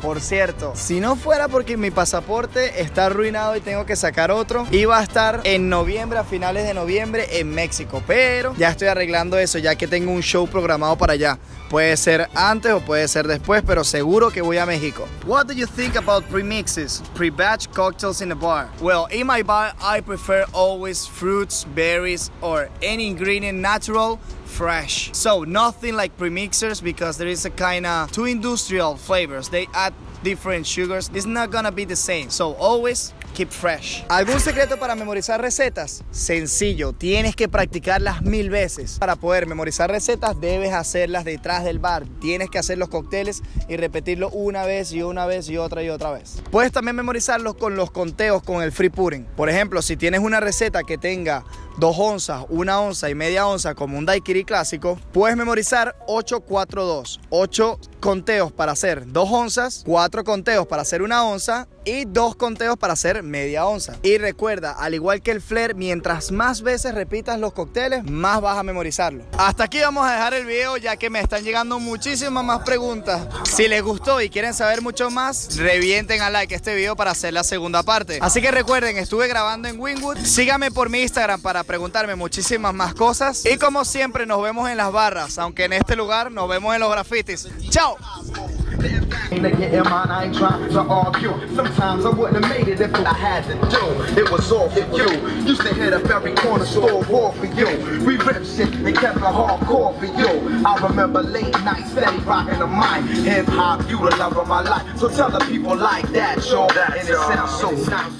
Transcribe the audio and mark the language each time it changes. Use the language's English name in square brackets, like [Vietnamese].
[Spanish] Por cierto, si no fuera porque mi pasaporte está arruinado y tengo que sacar otro, iba a estar en noviembre, a finales de noviembre en México. Pero ya estoy arreglando eso, ya que tengo un show programado para allá. Puede ser antes o puede ser después, pero seguro que voy a México. [English] What do you think about pre-mixes? Pre-batch cocktails in a bar? Well, in my bar, I prefer always fruits, berries, or any ingredient natural, fresh. So, nothing like pre-mixers because there is a kind of too industrial flavors. They add different sugars, it's not gonna be the same. So always keep fresh. [Spanish] ¿Algún secreto para memorizar recetas? Sencillo, tienes que practicarlas 1000 veces. Para poder memorizar recetas, debes hacerlas detrás del bar. Tienes que hacer los cócteles y repetirlo una vez y una vez y otra vez. Puedes también memorizarlos con los conteos con el free pouring. Por ejemplo, si tienes una receta que tenga 2 onzas, 1 onza y media onza como un daiquiri clásico, puedes memorizar 8-4-2, 8 conteos para hacer 2 onzas, 4 conteos para hacer 1 onza y 2 conteos para hacer media onza. Y recuerda, al igual que el flair, mientras más veces repitas los cócteles, más vas a memorizarlo. Hasta aquí vamos a dejar el video, ya que me están llegando muchísimas más preguntas. Si les gustó y quieren saber mucho más, revienten al like este video para hacer la segunda parte. Así que recuerden, estuve grabando en Wynwood. Síganme por mi Instagram para preguntarme muchísimas más cosas. Y como siempre, nos vemos en las barras, aunque en este lugar nos vemos en los grafitis. ¡Chao! [English] Nigga, in mind, I ain't trying to argue. Sometimes I wouldn't have made it if I had to do. It was all for you. Used to hit up every corner store, war for you. We ripped shit and kept it hardcore for you. I remember late nights, steady rocking the mic. Hip hop, you the love of my life. So tell the people like that, y'all. That it sounds so nice.